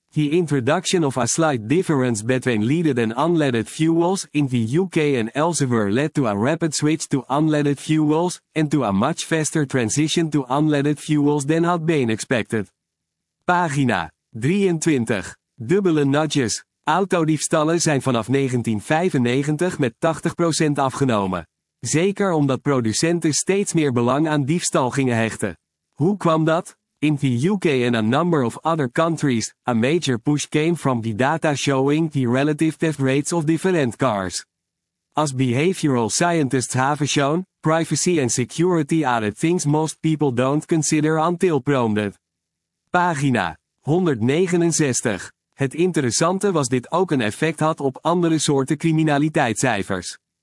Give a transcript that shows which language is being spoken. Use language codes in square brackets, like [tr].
[en] The introduction of a slight difference between leaded and unleaded fuels in the UK and elsewhere led to a rapid switch to unleaded fuels, and to a much faster transition to unleaded fuels than had been expected. [nl] Pagina 23. Dubbele nudges. Autodiefstallen zijn vanaf 1995 met 80% afgenomen. Zeker omdat producenten steeds meer belang aan diefstal gingen hechten. Hoe kwam dat? [en] In the UK and a number of other countries, a major push came from the data showing the relative theft rates of different cars. As behavioral scientists have shown, privacy and security are the things most people don't consider until prompted. [nl] Pagina 169. Het interessante was dit ook een effect had op andere soorten criminaliteitscijfers.